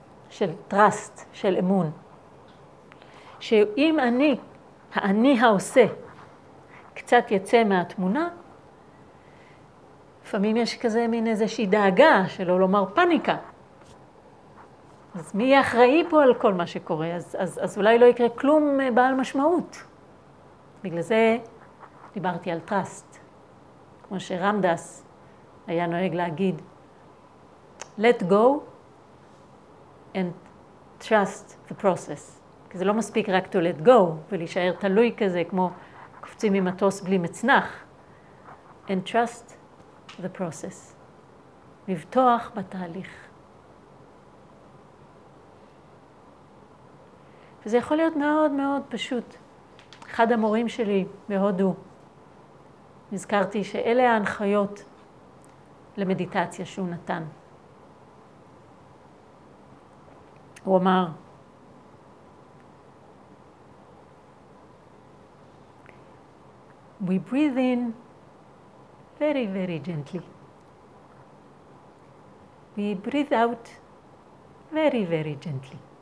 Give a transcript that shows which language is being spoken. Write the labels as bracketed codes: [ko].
[he] של טראסט, של אמון. שאם אני, האני העושה, קצת יצא מהתמונה, לפעמים יש כזה מין איזושהי דאגה, שלא לומר פאניקה. אז מי יהיה אחראי פה על כל מה שקורה? אז אולי לא יקרה כלום בעל משמעות. בגלל זה דיברתי על טראסט. כמו שרמדס היה נוהג להגיד, [en] let go and trust the process. [he] כי זה לא מספיק רק [en] to let go [he] ולהישאר תלוי כזה, כמו קופצים ממטוס בלי מצנח. [en] And trust the process. [he] לבטוח בתהליך. וזה יכול להיות מאוד מאוד פשוט. אחד המורים שלי בהודו, נזכרתי שאלה ההנחיות למדיטציה שהוא נתן. הוא אמר, [en] we breathe in very, very gently. We breathe out very, very gently.